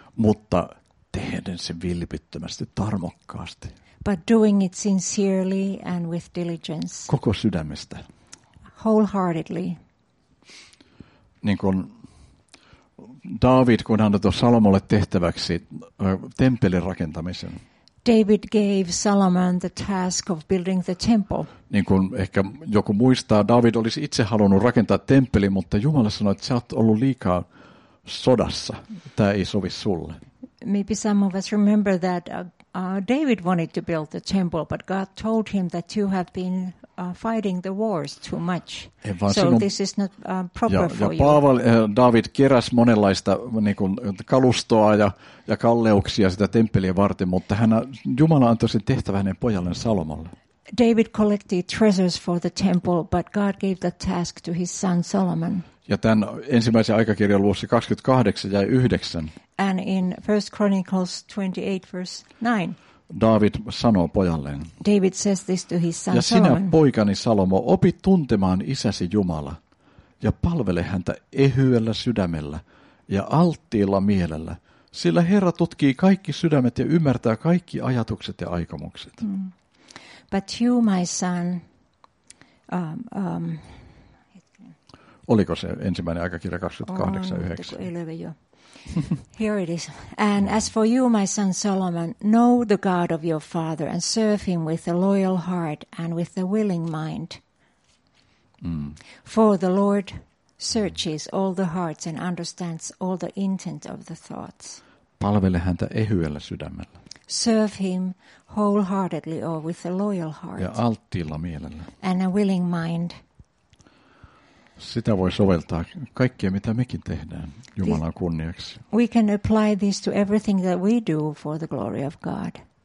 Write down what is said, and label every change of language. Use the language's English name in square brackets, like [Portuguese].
[Finnish] Mutta tehden sen vilpittömästi, tarmokkaasti. [English] But doing it sincerely and with diligence. [Finnish] Koko sydämestä. [English] Wholeheartedly. [Finnish] Niin kuin David, kun hän antoi Salomolle tehtäväksi temppelin rakentamisen. [English] David gave Solomon the task of building the temple. [Finnish] Niin kuin ehkä joku muistaa, David olisi itse halunnut rakentaa temppelin, mutta Jumala sanoi, että sä oot ollut liikaa sodassa. Tämä ei sovi sulle. [English] Maybe some of us remember that David wanted to build the temple, but God told him that you have been fighting the wars too much. This is not proper for you. [Finnish] David keräs monenlaista niin kuin kalustoa ja kalleuksia sitä temppeliä varten, mutta Jumala antoi sen tehtävän hänen pojalleen Salomolle. [English] David collected treasures for the temple, but God gave the task to his son Solomon. [Finnish] Ja tämän ensimmäisen aikakirjan luvussa 28 ja 9. [English] And in 1 Chronicles 28 verse 9. [Finnish] David sanoo pojalleen. [English] David says this to his son Solomon. [Finnish] Ja sinä poikani Salomo, opi tuntemaan isäsi Jumala ja palvele häntä ehyellä sydämellä ja alttiilla mielellä, sillä Herra tutkii kaikki sydämet ja ymmärtää kaikki ajatukset ja aikomukset. [English] Mm. But you, my son, [Finnish] oliko se ensimmäinen aikakirja 28:9? [English] Here it is. And as for you, my son Solomon, know the God of your father and serve him with a loyal heart and with a willing mind. Mm. For the Lord searches all the hearts and understands all the intent of the thoughts. [Finnish] Palvele häntä ehyellä sydämellä. [English] Serve him wholeheartedly or with a loyal heart. [Finnish] Ja alttiilla mielellä. [English] And a willing mind. [Finnish] Sitä voi soveltaa kaikkea, mitä mekin tehdään Jumalan kunniaksi. [English] We can apply this to everything that we do for the glory of God.